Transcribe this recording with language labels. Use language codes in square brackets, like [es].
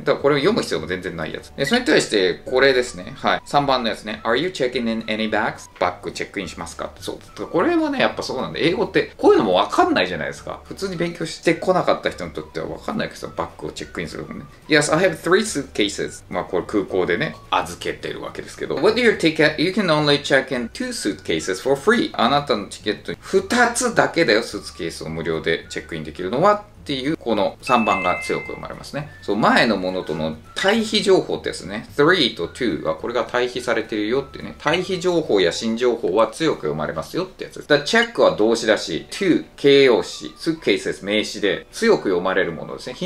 [ja] だからこれを読む必要も全然ないやつ。それに対してこれですね、はい、3番のやつね。 [en] Are you checking in any bags? [ja] バッグチェックインしますか。そう、これはね、やっぱそうなんで、英語ってこういうのもわかんないじゃないですか。普通に勉強してこなかった人にとってはわかんないけど、バッグをチェックインするのね。 [en] Yes, I have three suitcases. [ja] まあこれ空港でね、預けてるわけですけど。 [en] What's your ticket? You can only check in two suitcases for free. [ja] あなたのチケット2つだけだよ、スーツケースを無料でチェックインできるのはっていう、この3番が強く読まれますね。そう、前のものとの対比情報ですね。3と2はこれが対比されてるよってね。対比情報や新情報は強く読まれますよってやつです。だから check は動詞だし、2形容詞、スーツケースです名詞で、強く読まれるものですね。